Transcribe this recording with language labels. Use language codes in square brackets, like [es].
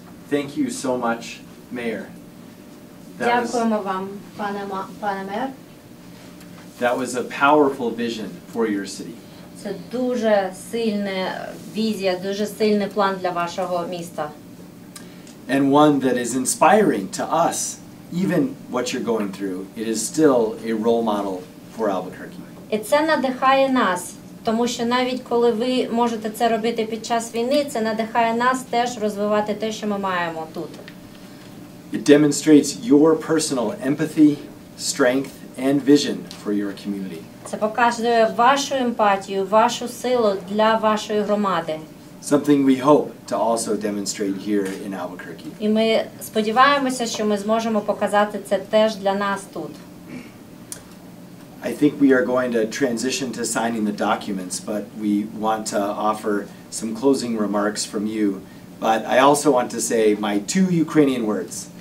[en] Thank you so much, Mayor. [uk] Дякуємо вам, пане мер. [en] That was a powerful vision for your city. [uk] Це дуже сильна візія, дуже сильний план для вашого міста. [en] And one that is inspiring to us, even what you're going through, it is still a role model for Albuquerque. [uk] І це надихає нас, тому що навіть коли ви можете це робити під час війни, це надихає нас теж розвивати те, що ми маємо тут. [en] It demonstrates your personal empathy, strength, and vision for your community. [uk] Це показує вашу емпатію, вашу силу для вашої громади. [en] Something we hope to also demonstrate here in Albuquerque. [uk] І ми сподіваємося, що ми зможемо показати це теж для нас тут. [en] I think we are going to transition to signing the documents, but we want to offer some closing remarks from you. But I also want to say my two Ukrainian words.